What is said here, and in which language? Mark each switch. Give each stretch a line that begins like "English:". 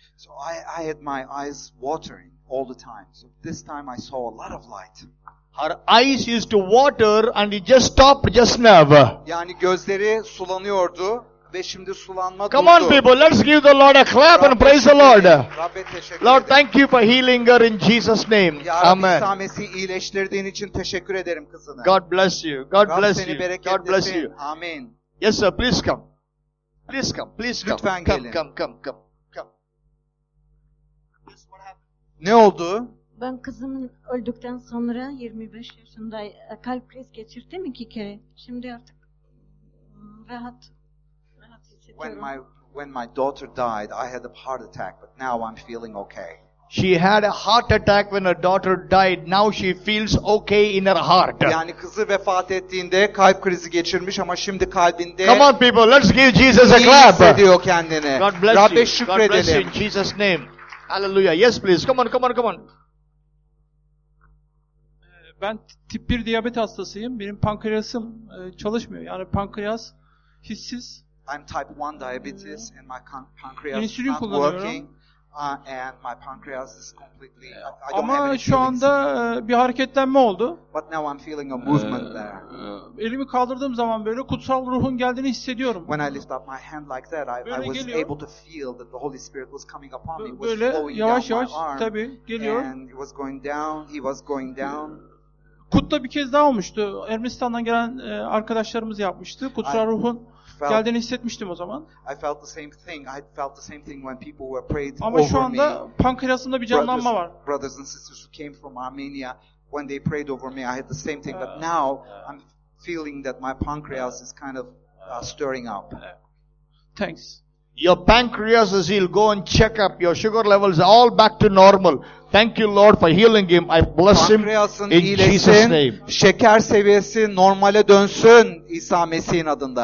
English: So I had my eyes watering all the time. So this time I saw a lot of light. Her eyes used to water and it just stopped just now.
Turkish: Yani gözleri sulanıyordu ve şimdi sulanma
English: Come
Turkish: durdu.
English: Come on people, let's give the Lord a clap and praise the Lord.
Turkish: Rabbe teşekkür
English: Lord, thank you for healing her in Jesus' name. Amen.
Turkish: Ya Rabbi, İsa Mesih'i iyileştirdiğin için teşekkür ederim kızına.
English: God bless you. God bless you. God bless you. Amen. Yes sir, please come. Please come. Please come.
Turkish: Lütfen
English: come,
Turkish: gelin.
English: Come, come, come.
Turkish: Ne oldu? Ben kızımın öldükten sonra 25 yaşında kalp kriz geçirdim iki kere. Şimdi artık rahat hissediyorum.
English: When my daughter died, I had a heart attack, but now I'm feeling okay. She had a heart attack when her daughter died. Now she feels okay in her heart.
Turkish: Yani kızı vefat ettiğinde kalp krizi geçirmiş ama şimdi kalbinde.
English: Come on people, let's give Jesus a clap.
Turkish: Hissediyor kendini.
English: God bless you.
Turkish: Rabbe şükredelim.
English: God bless you in Jesus' name. Hallelujah. Yes please. Come on, come on, come on.
Turkish: Ben tip 1 diyabet hastasıyım. Benim pankreasım çalışmıyor. Yani pankreas hissiz.
English: I'm type 1 diabetes and my pancreas is not working. And my pancreas is completely I don't
Turkish: ama şu anda bir hareketlenme oldu.
English: But now I'm feeling a movement there.
Turkish: Elimi kaldırdığım zaman böyle kutsal ruhun geldiğini hissediyorum.
English: When I lift up my hand like that I was
Turkish: geliyor.
English: Able to feel that the Holy Spirit was coming upon me.
Turkish: Böyle yavaş yavaş tabii geliyor. And he was going down, he was going down. Kutla bir kez daha olmuştu. Ermenistan'dan gelen arkadaşlarımız yapmıştı. Kutsal ruhun geldiğini hissetmiştim o zaman.
English: I felt the same thing. I felt the same thing when people were prayed
Turkish: Ama
English: over
Turkish: şu anda
English: me.
Turkish: Pankreasımda bir canlanma var.
English: Brothers and sisters who came from Armenia when they prayed over me, I had the same thing. But now I'm feeling that my pancreas is kind of stirring up. Thanks. Your pancreas is healed. Go and check up. Your sugar levels are all back to normal. Thank you Lord for healing him. I bless him in Jesus' name.
Turkish: Şeker seviyesi normale dönsün İsa Mesih'in adında.